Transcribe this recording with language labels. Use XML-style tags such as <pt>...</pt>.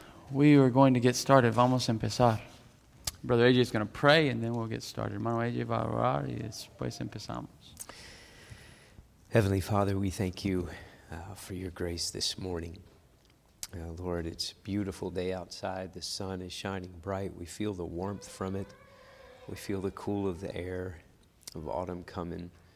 <en>We are going to get started.</en> <es>Vamos a empezar.</es> <en>Brother AJ is going to pray and then we'll get started.</en> <es>Hermano AJ va a orar y después empezamos.</es> <en>Heavenly Father, we thank you for your grace this morning. Lord, it's a beautiful day outside. The sun is shining bright. We feel the warmth from it. We feel the cool of the air of autumn coming.</en>